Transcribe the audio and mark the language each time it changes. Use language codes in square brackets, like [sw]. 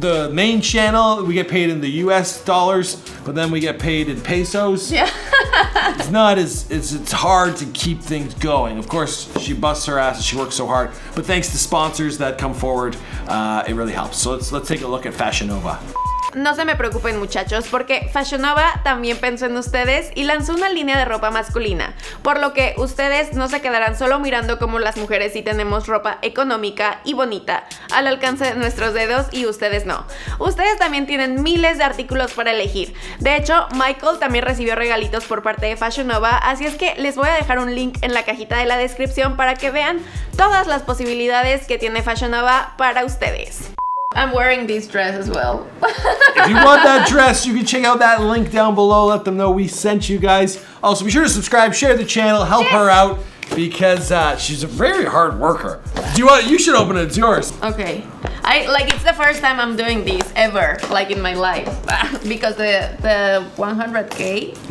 [en] The main channel, we get paid in the US dollars, but then we get paid in pesos. Yeah. it's hard to keep things going. Of course, she busts her ass and she works so hard, but thanks to sponsors that come forward, it really helps. So let's take a look at Fashion Nova. [es] No se me preocupen, muchachos, porque Fashion Nova también pensó en ustedes y lanzó una línea de ropa masculina, por lo que ustedes no se quedarán solo mirando cómo las mujeres sí tenemos ropa económica y bonita al alcance de nuestros dedos y ustedes no. Ustedes también tienen miles de artículos para elegir. De hecho, Michael también recibió regalitos por parte de Fashion Nova, así es que les voy a dejar un link en la cajita de la descripción para que vean todas las posibilidades que tiene Fashion Nova para ustedes. [en] I'm wearing this dress as well. If you want that dress, you can check out that link down below. Let them know we sent you guys. Also, be sure to subscribe, share the channel, help her out, because she's a very hard worker. Do you want? You should open it. It's yours. Okay. It's the first time I'm doing this ever, like in my life, because the 100K.